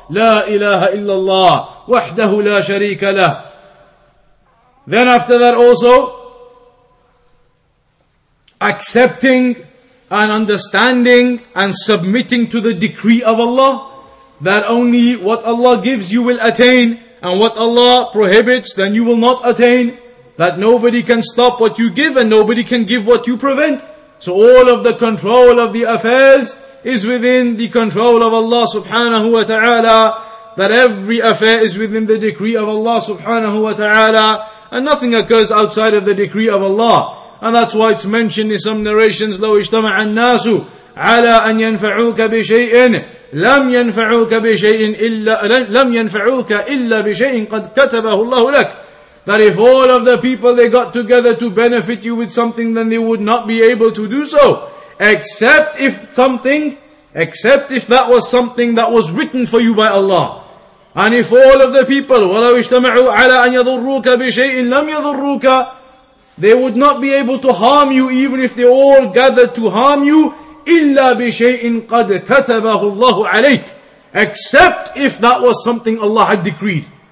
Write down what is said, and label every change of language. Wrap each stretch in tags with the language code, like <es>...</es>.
<ar>لا إله إلا الله وحده لا شريك له.</ar> <en>Then after that also, accepting and understanding and submitting to the decree of Allah, that only what Allah gives you will attain, and what Allah prohibits then you will not attain. That nobody can stop what you give and nobody can give what you prevent. So all of the control of the affairs is within the control of Allah subhanahu wa ta'ala. That every affair is within the decree of Allah subhanahu wa ta'ala. And nothing occurs outside of the decree of Allah. And that's why it's mentioned in some narrations,</en> <ar>لَوْ اِجْتَمَعَ النَّاسُ عَلَىٰ أَن يَنْفَعُوكَ بِشَيْءٍ لم ينفعوك بشيء إلا لم ينفعوك إلا بشيء قد كتبه الله لك.</ar> <en>That if all of the people they got together to benefit you with something, then they would not be able to do so, except if that was something that was written for you by Allah. And if all of the people,</en> <ar>وَلَوْ اجْتَمَعُوا عَلَىٰ أَنْ يَضُرُّوكَ بِشَيْءٍ لَمْ يَضُرُّوكَ,</ar> <en>they would not be able to harm you even if they all gathered to harm you,</en> <ar>إِلَّا بِشَيْءٍ قَدْ كَتَبَهُ اللَّهُ عَلَيْكَ,</ar> <en>except if that was something Allah had decreed.</en>